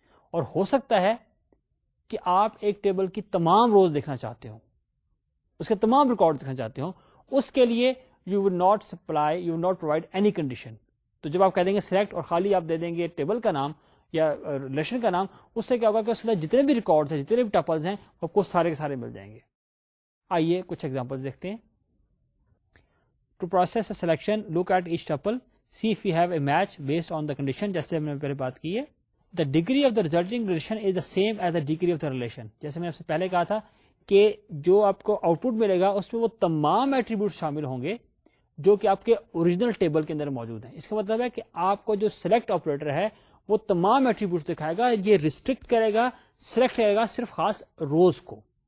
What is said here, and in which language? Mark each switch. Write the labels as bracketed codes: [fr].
[ur] اور ہو سکتا ہے کہ آپ ایک ٹیبل کی تمام روز دیکھنا چاہتے ہوں, اس کے تمام ریکارڈ دیکھنا چاہتے ہوں, اس کے لیے [en] You would not supply, you would not provide any condition. [ur] تو جب آپ کہہ دیں گے سلیکٹ اور خالی آپ دے دیں گے ٹیبل کا نام یا ریلیشن کا نام, اس سے کیا ہوگا کہ اس کے جتنے بھی ریکارڈز ہیں, جتنے بھی ٹپلز ہیں, وہ آپ کو سارے کے سارے مل جائیں گے. آئیے کچھ ایگزامپلز دیکھتے ہیں. [en] To process a selection look at each tuple, see if you have a match based on the condition. [ur] جیسے میں نے پہلے بات کی ہے, [en] The degree of the resulting relation is the same as the degree of the relation. [ur] جیسے میں آپ سے پہلے کہا تھا کہ جو آپ کو آؤٹ پٹ ملے گا اس میں وہ تمام ایٹریبیوٹ شامل ہوں گے جو کہ آپ کے اوریجنل ٹیبل کے اندر موجود ہیں. اس کا مطلب ہے کہ آپ کو جو سلیکٹ آپریٹر ہے وہ تمام ایٹریبیوٹس دکھائے گا, یہ ریسٹرکٹ کرے گا, سلیکٹ کرے گا صرف خاص روز کو.